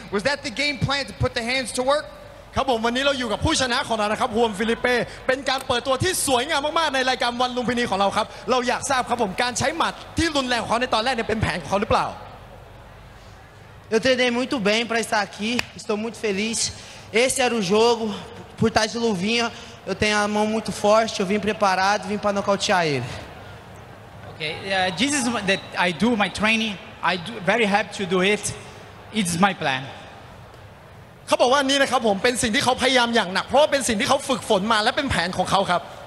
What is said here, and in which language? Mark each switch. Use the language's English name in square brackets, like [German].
[English] Was that the game plan to put the hands to work? [Thai] ครับผมวันนี้เราอยู่กับผู้ชนะของเรานะครับฮวนฟิลิเป้เป็นการเปิดตัวที่สวยงามมากๆในรายการวันลุมพินีของเราครับเราอยากทราบครับผมการใช้หมัดที่รุนแรงของเขาในตอนแรกเนี่ยเป็นแผนของเขาหรือเปล่า [Portuguese] Eu treinei muito bem para estar aqui. Estou muito feliz. Esse era o jogo por trás de luvinha. Eu tenho a mão muito forte, eu vim preparado, vim para nocautear ele. [English] Okay, this is that I do my training. I do very happy to do it. It's my plan. [Thai] เขาบอกว่านี่นะครับผมเป็นสิ่งที่เขาพยายามอย่างหนักเพราะว่าเป็นสิ่งที่เขาฝึกฝนมาและเป็นแผนของเขาครับ